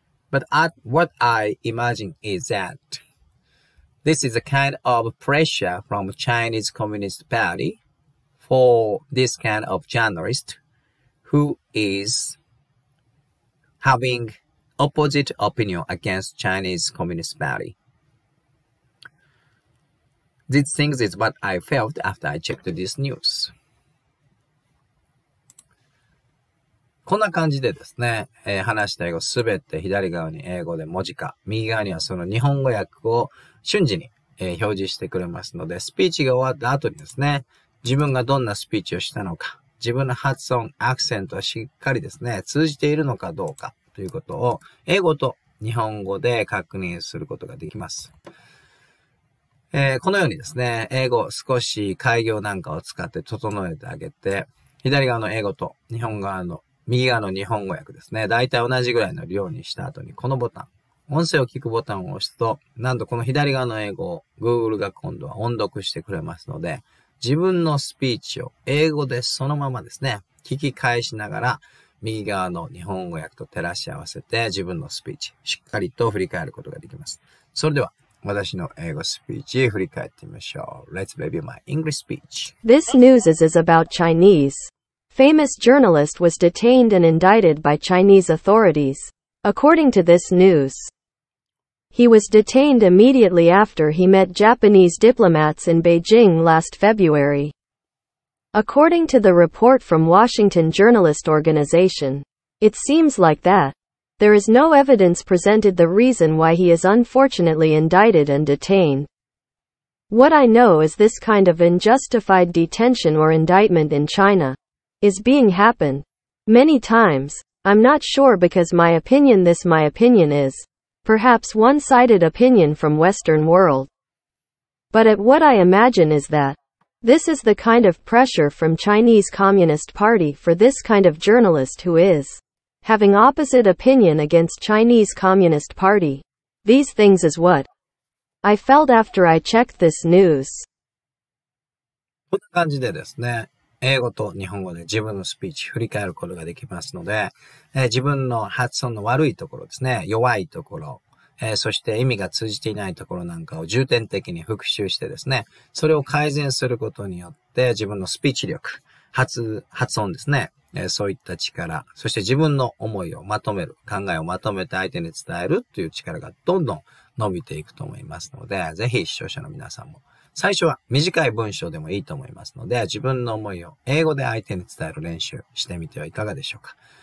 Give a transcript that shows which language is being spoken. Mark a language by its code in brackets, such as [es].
[en] But what I imagine is that this is a kind of pressure from Chinese Communist Party for this kind of journalist who is having opposite opinion against Chinese Communist Party. These things is what I felt after I checked this news. [ja] こんな感じでですね、話した英語すべて左側に英語で文字化、右側にはその日本語訳を瞬時に、表示してくれますので、スピーチが終わった後にですね、自分がどんなスピーチをしたのか、自分の発音、アクセントはしっかりですね、通じているのかどうかということを英語と日本語で確認することができます。このようにですね、英語を少し改行なんかを使って整えてあげて、左側の英語と日本側の右側の日本語訳ですね、大体同じぐらいの量にした後にこのボタン、音声を聞くボタンを押すと、なんとこの左側の英語を Google が今度は音読してくれますので、自分のスピーチを英語でそのままですね、聞き返しながら右側の日本語訳と照らし合わせて自分のスピーチ、しっかりと振り返ることができます。それでは、私の英語スピーチ振り返ってみましょう。 [en] Let's review my English speech. This news is about Chinese. Famous journalist was detained and indicted by Chinese authorities. According to this news, he was detained immediately after he met Japanese diplomats in Beijing last February. According to the report from Washington Journalist Organization, it seems like that. There is no evidence presented the reason why he is unfortunately indicted and detained. What I know is this kind of unjustified detention or indictment in China is being happened many times. I'm not sure because my opinion is perhaps one-sided opinion from Western world. But at what I imagine is that this is the kind of pressure from Chinese Communist Party for this kind of journalist who is having opposite opinion against Chinese Communist Party. These things is what I felt after I checked this news. [ja] こんな感じでですね、英語と日本語で自分のスピーチ振り返ることができますので、自分の発音の悪いところですね、弱いところ、そして意味が通じていないところなんかを重点的に復習してですね、それを改善することによって自分のスピーチ力、発音ですね、そういった力、そして自分の思いをまとめる、考えをまとめて相手に伝えるという力がどんどん伸びていくと思いますので、ぜひ視聴者の皆さんも、最初は短い文章でもいいと思いますので、自分の思いを英語で相手に伝える練習してみてはいかがでしょうか。